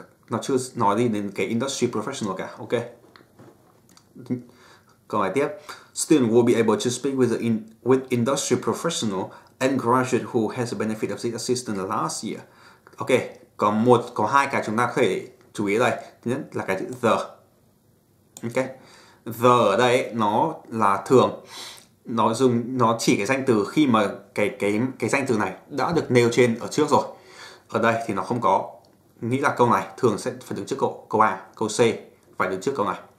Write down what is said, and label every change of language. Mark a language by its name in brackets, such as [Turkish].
[Vietnamese] Nó chưa nói gì đến cái industry professional cả. Ok. Câu lại tiếp. [English] Student will be able to speak with industry professional and graduate who has the benefit of this assistant last year. [Vietnamese] Ok, có hai cái chúng ta có thể chú ý ở đây. Thứ nhất là cái chữ the. Ok. The ở đây nó là thường. Nó chỉ cái danh từ khi mà cái danh từ này đã được nêu trên ở trước rồi. Ở đây thì nó không có. Nghĩ là câu này thường sẽ phải đứng trước câu A, câu C. Phải đứng trước câu này.